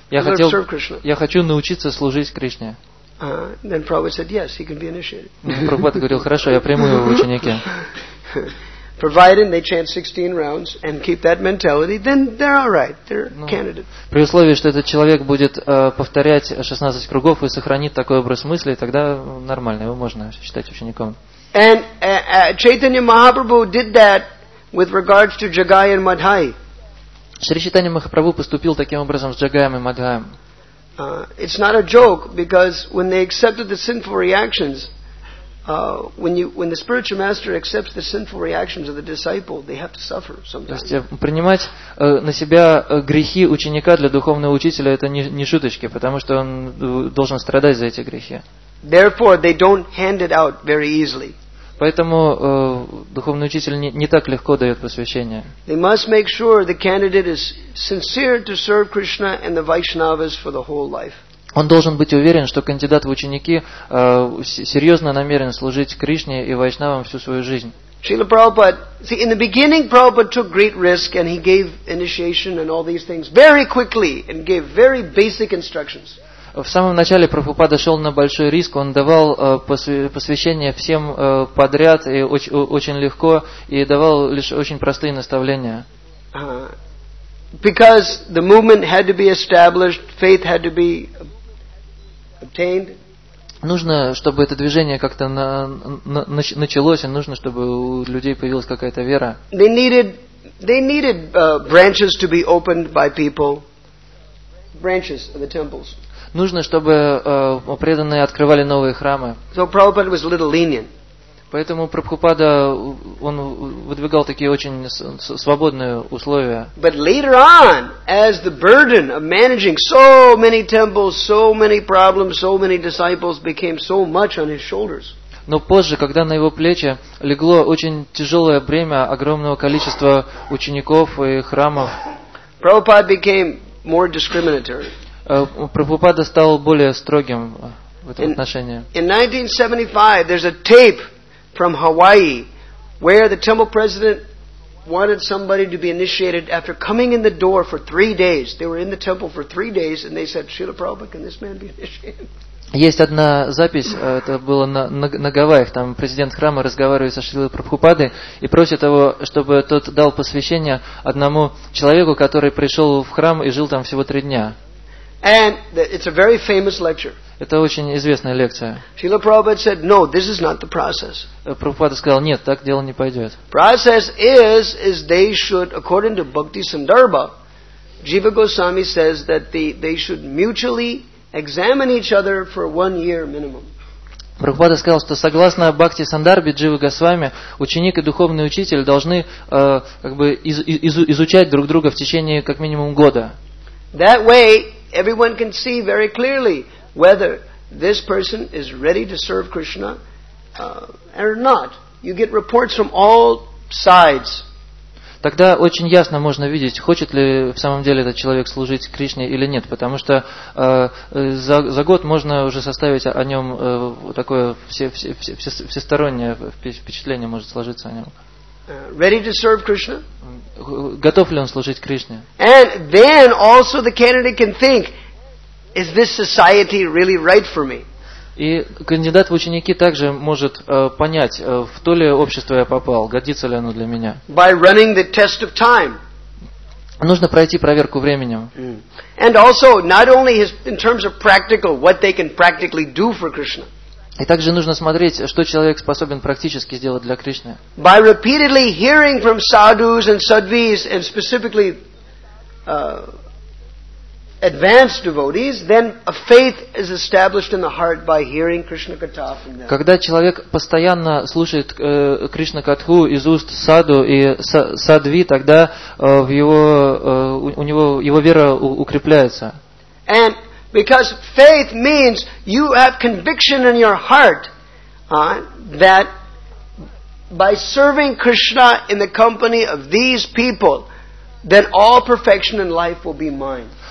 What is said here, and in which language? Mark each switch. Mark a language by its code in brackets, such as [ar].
[ru] Я хочу научиться служить Кришне. [en] Then Prabhupada said, yes, he can be initiated. [ru] Прабхупада говорил, хорошо, я приму его в ученики. [en] Provided they chant 16 rounds and keep that mentality, then they're all right. They're candidates. [ru] При условии, что этот человек будет повторять 16 кругов и сохранит такой образ мысли, тогда нормально, его можно считать учеником. [en] And Chaitanya Mahaprabhu did that with regards to Jagai and Madhai. [ru] Шри Чайтанья Махапрабху поступил таким образом с Джагаем и Мадхаем. [en] It's not a joke, because when they accepted the sinful reactions, when the spiritual master accepts the sinful reactions of the disciple, they have to suffer sometimes. [ru] То есть принимать на себя грехи ученика для духовного учителя — это не шуточки, потому что он должен страдать за эти грехи. [en] Therefore, they don't hand it out very easily. [ru] Поэтому духовный учитель не так легко дает посвящение. [en] They must make sure the candidate is sincere to serve Krishna and the Vaishnavas for the whole life. [ru] Он должен быть уверен, что кандидат в ученики серьезно намерен служить Кришне и Вайшнавам всю свою жизнь. [en] Srila Prabhupada, see, in the beginning, Prabhupada took great risk and he gave initiation and all these things very quickly and gave very basic instructions. [ru] В самом начале Прабхупада шел на большой риск, он давал посвящение всем подряд и очень легко, и давал лишь очень простые наставления. [en] Because the movement had to be established, faith had to be obtained. [ru] Нужно, чтобы это движение как-то началось, и нужно, чтобы у людей появилась какая-то вера. [en] They needed branches to be opened by people, branches of the temples. [ru] Нужно, чтобы преданные открывали новые храмы. [en] So Prabhupada was a little lenient. [ru] Поэтому Прабхупада, он выдвигал такие очень свободные условия. [en] But later on, as the burden of managing so many temples, so many problems, so many disciples became so much on his shoulders. [ru] Но позже, когда на его плечи легло очень тяжелое бремя огромного количества учеников и храмов, [en] Prabhupada became more discriminatory. [ru] Прабхупада стал более строгим в этом отношении. [en] In 1975, there's a tape from Hawaii where the temple president wanted somebody to be initiated after coming in the door for 3 days. They were in the temple for 3 days and they said, Srila Prabhupada, can this man be initiated? [ru] Есть одна запись, это было на Гавайях, там президент храма разговаривает со Шрилой Прабхупадой и просит его, чтобы тот дал посвящение одному человеку, который пришел в храм и жил там всего 3 дня. [en] And it's a very famous lecture. [ru] Это очень известная лекция. [en] Srila Prabhupada said, "No, this is not the process." [ru] Прабхупада сказал, нет, так дело не пойдет. [en] Process is they should, according to Bhakti Sandarbha, Jiva Goswami says that they should mutually examine each other for 1 year minimum. [ru] Прабхупада сказал, что согласно Бхакти Сандарбе, Джива Госвами, ученик и духовный учитель должны изучать друг друга в течение как минимум года. [en] That way, everyone can see very clearly whether this person is ready to serve Krishna or not. You get reports from all sides. [ru] Тогда очень ясно можно видеть, хочет ли в самом деле этот человек служить Кришне или нет, потому что за год можно уже составить о нем такое всестороннее впечатление может сложиться о нем. [en] Ready to serve Krishna? [ru] Готов ли он служить Кришне? [en] And then also the candidate can think, is this society really right for me? [ru] И кандидат в ученики также может понять, в то ли общество я попал, годится ли оно для меня. [en] By running the test of time. [ru] Нужно пройти проверку временем. Mm. [en] And also not only in terms of practical, what they can practically do for Krishna. [ru] И также нужно смотреть, что человек способен практически сделать для Кришны. [en] By repeatedly hearing from sadhus and sadvis, and specifically advanced devotees, then a faith is established in the heart by hearing Krishna Katha from them. [ru] Когда человек постоянно слушает Кришна Катху из уст саду и садви, тогда его вера укрепляется. [en] And because faith means you have conviction in your heart that by serving Krishna in the company of these people, then all perfection in life will be mine.